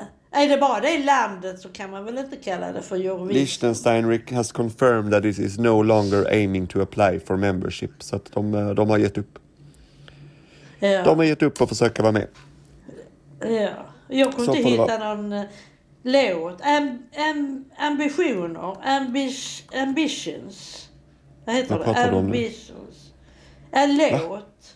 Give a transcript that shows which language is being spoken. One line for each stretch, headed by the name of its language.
Swedish: Är det bara det landet så kan man väl inte kalla det för Eurovision.
English: Liechtenstein has confirmed that it is no longer aiming to apply for membership.
Swedish: Så att de har gett upp. Ja. De har gett upp att försöka vara med. Ja, jag kunde inte hitta någon låt. Ambitioner. Ambitions. Vad heter det? Ambitions. En låt.